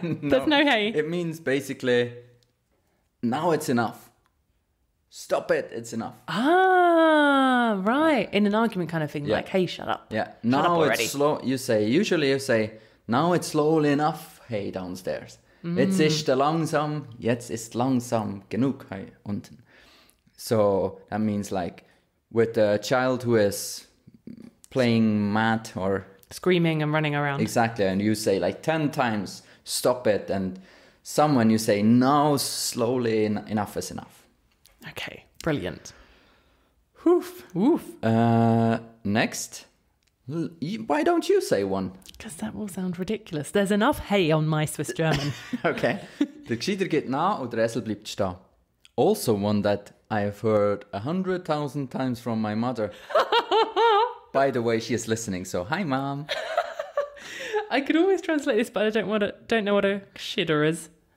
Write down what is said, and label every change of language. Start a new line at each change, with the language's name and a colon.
English: No. There's no hay. It means basically, now it's enough. Stop it, it's enough. Ah, right. In an argument kind of thing, yeah. Like, hey, shut up. Yeah, now it's slow. Usually you say, now it's slowly enough, hey, downstairs. Mm.
German: Jetzt ist langsam, jetzt ist langsam genug, hey, unten.
English: So that means like, with a child who is playing mad or... screaming and running around. Exactly, and you say like 10 times, stop it. And someone you say, now slowly enough is enough. Okay, brilliant. Woof. Woof. Next. Why don't you say one? Because that will sound ridiculous. There's enough hay on my Swiss German. Okay.
German: Der Gschieder geht nah und der Esel bleibt stehen.
English: Also one that I have heard 100,000 times from my mother. By the way, she is listening, so hi, Mom. I could always translate this, but I don't know what a Gschieder is.